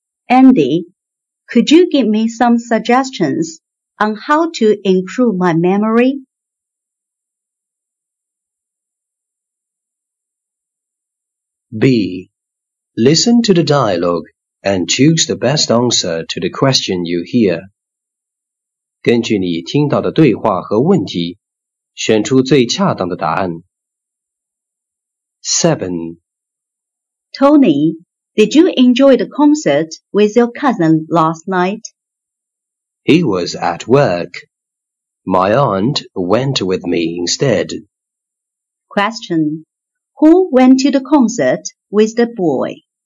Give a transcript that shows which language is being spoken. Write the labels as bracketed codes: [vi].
[en] Andy, could you give me some suggestions on how to improve my memory? 6. Listen to the dialogue and choose the best answer to the question you hear. [zh] 根据你听到的对话和问题，选出最恰当的答案。 7. [en] Tony,Did you enjoy the concert with your cousin last night? He was at work. My aunt went with me instead. Question. Who went to the concert with the boy?